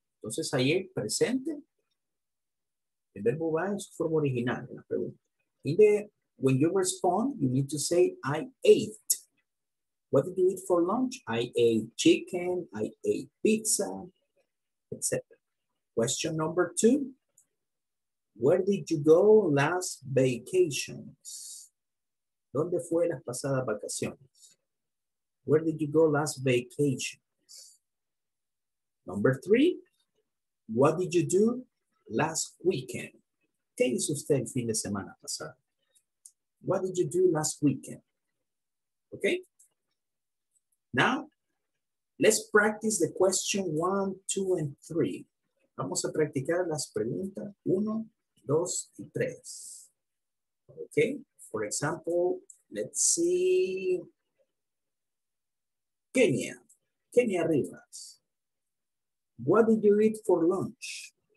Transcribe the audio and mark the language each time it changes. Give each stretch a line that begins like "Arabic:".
Spanish: Entonces, ahí el presente, el verbo va en su forma original, en la pregunta.
English: When you respond, you need to say, I ate. What did you eat for lunch? I ate chicken, I ate pizza, etc. Question number two. Where did you go last vacations?
Spanish: ¿Dónde fue las pasadas vacaciones?
English: Where did you go last vacations? Number three. What did you do last weekend?
Spanish: ¿Qué hizo usted el fin de semana pasado?
English: What did you do last weekend? Okay. Now, let's practice the question one, two, and three.
Spanish: Vamos a practicar las preguntas uno, dos, y tres.
English: Okay. For example, let's see. Kenya. Kenya Rivas. What did you eat for lunch?